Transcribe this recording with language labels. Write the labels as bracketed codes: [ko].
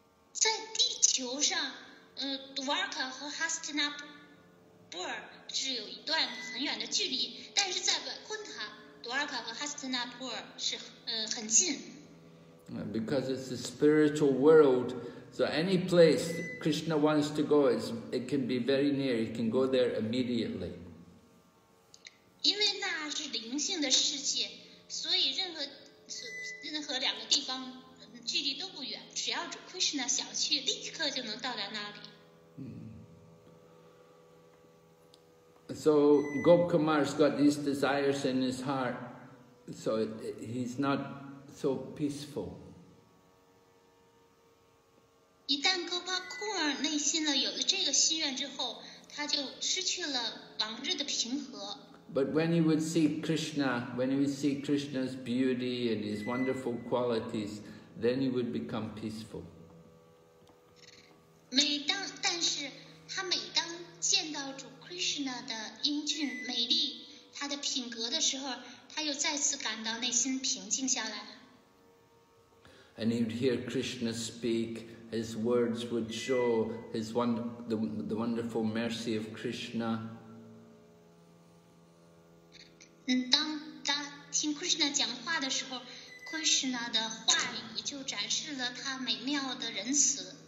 [zh] 在地球上，Dwarka 和 Hastinapur 是有一段很远的距离，但是在 Vaikuntha, Dwarka 和 Hastinapur 是很近。 [en] Because it's a spiritual world, so any place Krishna wants to go, it can be very near. He can go there immediately. [zh] 因为那是灵性的世界，所以任何两个地方距离都不远，只要主 Krishna 想去，立刻就能到达那里。 [en] So Gop Kumar's got these desires in his heart, so he's not so peaceful. [zh] 一旦 Gopa Kumar 内心了有了这个心愿之后，他就失去了往日的平和。 [en] But when he would see Krishna, when he would see Krishna's beauty and his wonderful qualities, then he would become peaceful. [zh] 但是他每当见到主 Krishna 的英俊美丽，他的品格的时候，他又再次感到内心平静下来。 [en] And he would hear Krishna speak. His words would show the wonderful mercy of Krishna. [zh] 当他听 Krishna 讲话的时候， Krishna 的话语就展示了他美妙的仁慈。